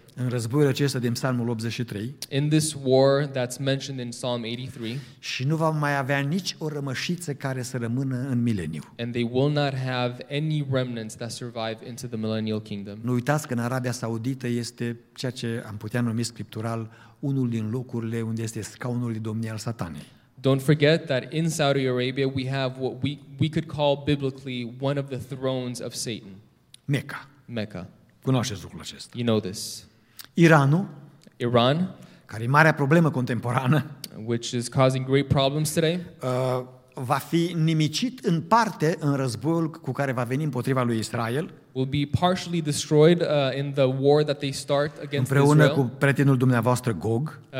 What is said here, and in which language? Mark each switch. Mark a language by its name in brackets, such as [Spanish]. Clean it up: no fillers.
[Romanian] În războiul acesta din Psalmul 83. [English] In this war that's mentioned in Psalm 83. [Romanian] Și nu va mai avea nici o rămășiță care să rămână în mileniu. [English] And they will not have any remnants that survive into the millennial kingdom. [Romanian] Nu uitați că în Arabia Saudită este ceea ce am putea numi scriptural unul din locurile unde este scaunul de domnie al Satanei. [English] Don't forget that in Saudi Arabia we have what we could call biblically one of the thrones of Satan. [Romanian] Mecca. [English] Mecca. [Romanian] Cunoașteți lucrul acesta. [English] You know this. [Romanian] Iranul. [English] Iran. [Romanian] Care e marea problemă contemporană. [English] Which is causing great problems today. [Romanian] Va fi nimicit în parte în războiul cu care va veni împotriva lui Israel. [English] Will be partially destroyed in the war that they start against Israel. [Romanian] Împreună cu prietenul dumneavoastră Gog.